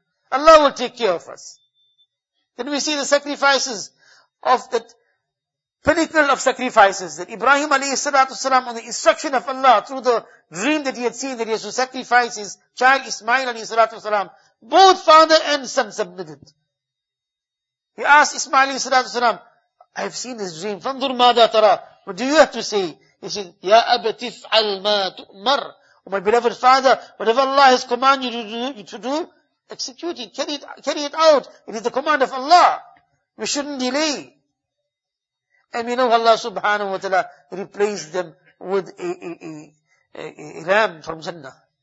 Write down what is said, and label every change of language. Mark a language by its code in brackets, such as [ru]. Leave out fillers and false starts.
[en] Allah will take care of us. Then we see the sacrifices of that pinnacle of sacrifices that Ibrahim alayhi salatu salam, on the instruction of Allah through the dream that he had seen that he has to sacrifice his child Ismail alayhi salatu salam, both father and son submitted. He asked Ismail alayhi salatu salam, I have seen this dream. [ar] فَانْظُرْ مَادَا تَرَى. [en] What do you have to say? He said, [ar] يَا أَبَتِفْ عَلْ مَا تُؤْمَرْ. [en] Oh my beloved father, whatever Allah has commanded you to do, execute it, carry it out. It is the command of Allah. We shouldn't delay. And we know Allah subhanahu wa ta'ala replaced them with a ram from Jannah.